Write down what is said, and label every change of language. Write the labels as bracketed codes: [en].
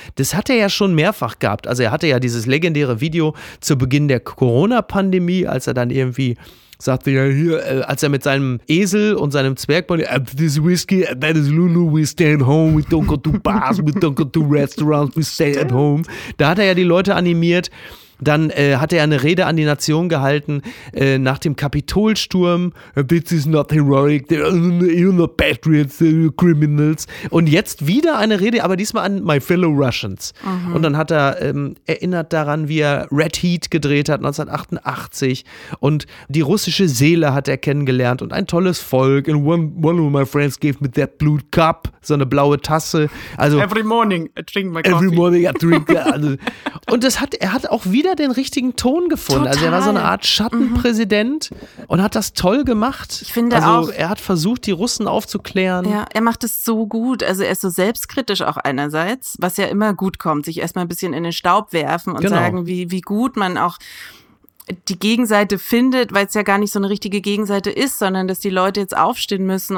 [de] Das hat er ja schon mehrfach gehabt. Also er hatte ja dieses legendäre Video zu Beginn der Corona-Pandemie, als er dann irgendwie sagte ja hier, als er mit seinem Esel und seinem Zwergbunny, [en] this whiskey, that is Lulu, we stay at home, [de] we don't go to bars, we don't go to restaurants, we stay at home. Da hat er ja die Leute animiert, Dann hat er eine Rede an die Nation gehalten, nach dem Kapitolsturm. [en] This is not heroic, you're not patriots, you're criminals. [de] Und jetzt wieder eine Rede, aber diesmal an [en] my fellow Russians. [de] Mhm. Und dann hat er erinnert daran, wie er Red Heat gedreht hat 1988 und die russische Seele hat er kennengelernt und ein tolles Volk. [en] And one of my friends gave me that blue cup, [de] so eine blaue Tasse. Also, [en] every morning I drink my coffee. Every morning I drink that. [de] Also, und das hat, er hat auch wieder den richtigen Ton gefunden. Total. Also er war so eine Art Schattenpräsident und hat das toll gemacht. Ich finde also, auch. Er hat versucht, die Russen aufzuklären. Ja, er macht es so gut. Also er ist so selbstkritisch auch einerseits, was ja immer gut kommt, sich erstmal ein bisschen in den Staub werfen und sagen, wie gut man auch die Gegenseite findet, weil es ja gar nicht so eine richtige Gegenseite ist, sondern dass die Leute jetzt aufstehen müssen.